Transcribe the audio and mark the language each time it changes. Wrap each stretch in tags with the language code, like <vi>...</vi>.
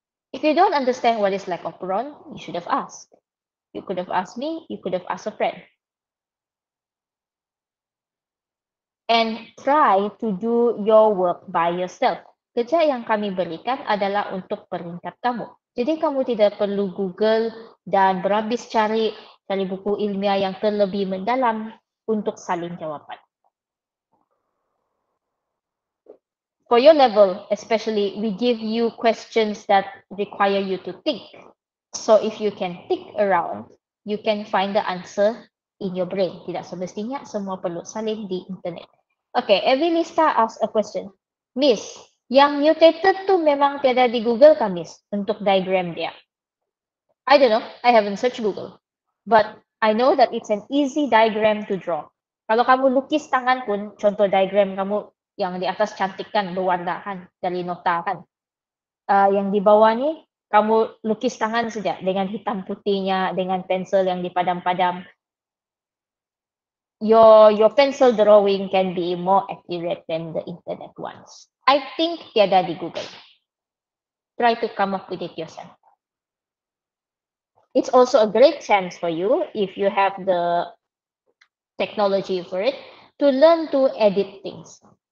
<en>If you don't understand what is lac operon, you should have asked. You could have asked me, you could have asked a friend. And try to do your work by yourself.</en> <ms>Kerja yang kami berikan adalah untuk peringkat kamu. Jadi kamu tidak perlu Google dan berhabis cari buku ilmiah yang terlebih mendalam untuk saling jawaban.</ms> <en>For your level, especially, we give you questions that require you to think. So if you can think around, you can find the answer in your brain.</en> <ms>Tidak semestinya semua perlu saling di internet.</ms> <en>Okay, Evelista ask a question.</en> <ms>Miss, yang mutated tu memang tiada di Google kan, Miss, untuk diagram dia?</ms> <en>I don't know, I haven't searched Google. But I know that it's an easy diagram to draw.</en> <ms>Kalau kamu lukis tangan pun, contoh diagram kamu, yang di atas cantikkan, berwarna kan, dari nota kan. Yang di bawah ni, kamu lukis tangan saja dengan hitam putihnya, dengan pensel yang dipadam-padam.</ms> <en>Your pencil drawing can be more accurate than the internet ones. I think</en> <ms>tiada di Google.</ms> <en>Try to come up with it yourself. It's also a great chance for you, if you have the technology for it, to learn to edit things.</en>